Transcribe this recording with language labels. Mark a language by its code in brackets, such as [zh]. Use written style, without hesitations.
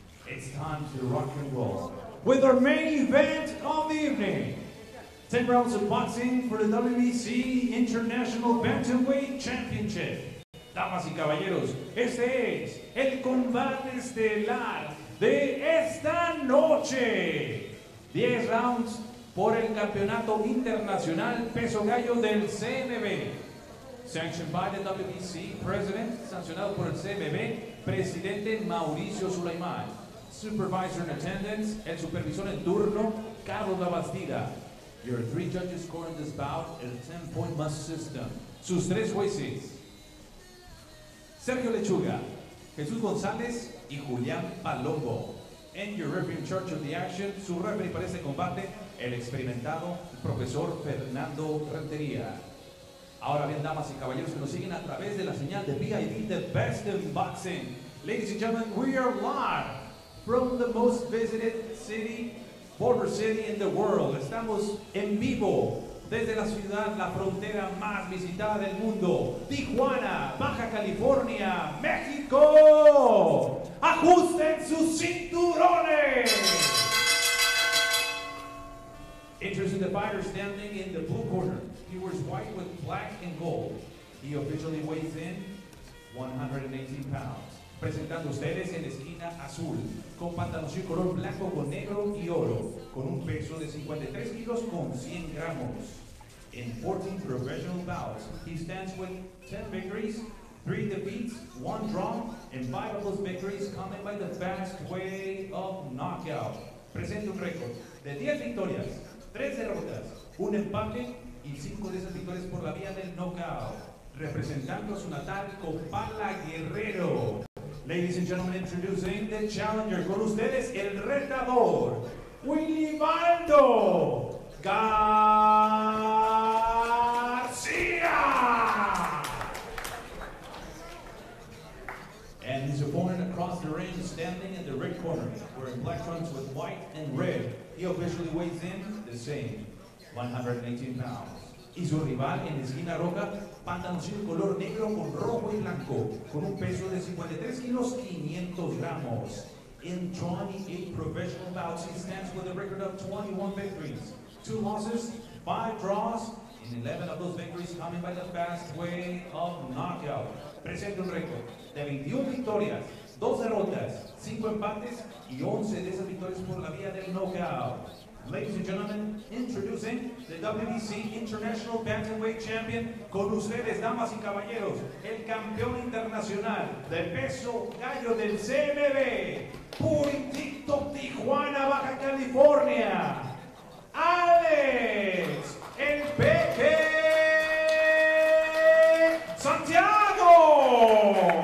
[en] It's time to rock and roll with our main event of the evening. 10 rounds of boxing for the WBC International Bantamweight Championship. [es] Damas y caballeros, este es el combate estelar de esta noche. 10 rounds por el Campeonato Internacional Peso Gallo del CMB. [en] Sanctioned by the WBC President, [es] sancionado por el CMB, Presidente Mauricio Sulaimán. [en] Supervisor in attendance, [es] el supervisor en turno, Carlos Labastida. [en] Your three judges scoring this bout, el 10-point must system. [es] Sus tres jueces, Sergio Lechuga, Jesús González y Julián Palombo. [en] And your referee in charge of the action, [es] su referee para este combate, el experimentado profesor Fernando Rentería. Ahora bien, damas y caballeros que nos siguen a través de la señal de PID, [en] the best in boxing. Ladies and gentlemen, we are live from the most visited city, border city in the world. [es] Estamos en vivo desde la ciudad, la frontera más visitada del mundo, Tijuana, Baja California, México. ¡Ajusten sus cinturones! [en] Interested the fighter standing in the blue corner. He wears white with black and gold. He officially weighs in 118 pounds. [es] Presentando ustedes en esquina azul, con pantalones y color blanco con negro y oro, con un peso de 53 kilos con 100 gramos. [en] In 14 professional bouts, he stands with 10 victories, 3 defeats, 1 draw, and 5 of those victories coming by the fast way of knockout. [es] Presenta un récord de 10 victorias, 3 derrotas, 1 empate y 5 de esas victorias por la vía del knockout. Representando a su natal Copala Guerrero. [en] Ladies and gentlemen, introducing the challenger, [es] con ustedes, el retador, [en] Willibaldo García! And his opponent across the ring, standing in the red corner, wearing black trunks with white and red. He officially weighs in the same, 118 pounds. [es] y su rival en esquina roja, pantaloncillo color negro con rojo y blanco, con un peso de 53 kilos, 500 gramos. [en] In 28 professional bouts, he stands with a record of 21 victories, 2 losses, 5 draws, and 11 of those victories coming by the fast way of knockout. [es] Presenta un récord de 21 victorias, 2 derrotas, 5 empates, y 11 de esas victorias por la vía del knockout. [en] Ladies and gentlemen, introducing the WBC International Bantamweight Champion, [es] con ustedes, damas y caballeros, el campeón internacional de peso gallo del CMB, Puritito Tijuana, Baja California, Alex, el Peque Santiago.